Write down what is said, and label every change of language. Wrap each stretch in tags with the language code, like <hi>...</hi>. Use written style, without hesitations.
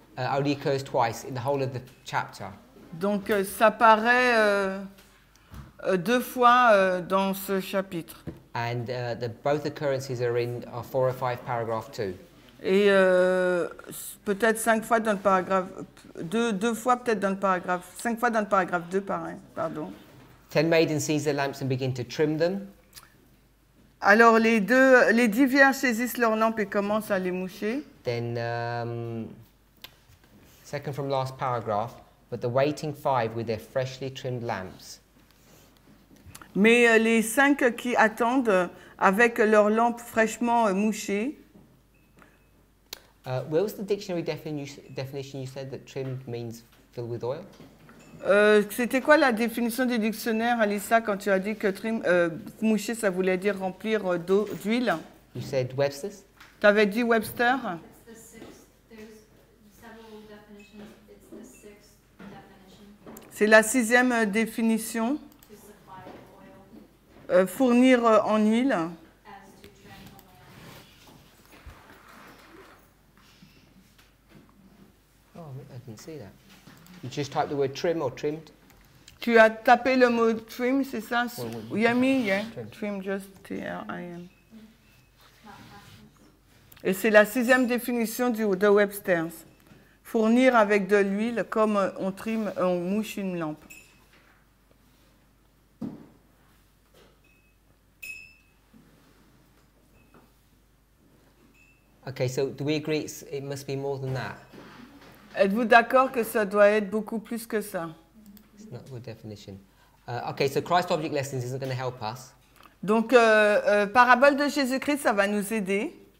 <en>only occurs twice in the whole of the chapter.</en> <fr>Donc, ça apparaît deux fois dans ce chapitre.</fr> <en>And the both occurrences are in 405 paragraph 2.</en> <fr>Et peut-être cinq fois dans le paragraphe, deux fois peut-être dans le paragraphe, cinq fois dans le paragraphe 2, pardon.</fr> <en>Ten maidens seize their lamps and begin to trim them.</en> <fr>Alors les 10 vierges saisissent leurs lampes et commencent à les moucher.</fr> <en>Then, second from last paragraph, but the waiting five with their freshly trimmed lamps.</en> <fr>Mais les cinq qui attendent avec leurs lampes fraîchement mouchées.</fr> <en>Where was the dictionary definition you said that trimmed means filled with oil?</en> <fr>C'était quoi la définition du dictionnaire, Alissa, quand tu as dit que trim, moucher, ça voulait dire remplir d'eau, d'huile?</fr> <en>You said Webster's?</en> <fr>Tu avais dit Webster?</fr> <en>It's the sixth. There's several definitions. It's the sixth definition.</en> <fr>C'est la sixième définition.</fr> <en>To supply oil.</en> <fr>Fournir en huile.</fr> <en>See that. You just type the word trim or trimmed.</en> <fr>Tu as tapé le mot trim, c'est ça? Oui, ami, yeah.</fr> <en>Trim, just T-R-I-M.</en> <fr>Et c'est la sixième définition de Webster's. Fournir avec de l'huile comme on trim, on mouche une lampe.</fr> <en>Okay, so do we agree it must be more than that?</en> <fr>Êtes-vous d'accord que ça doit être beaucoup plus que ça?</fr> <en>It's not a good definition. Okay, so Christ object lessons isn't going to help us.</en> <fr>Donc, parabole de Jésus-Christ, ça va nous aider.</fr>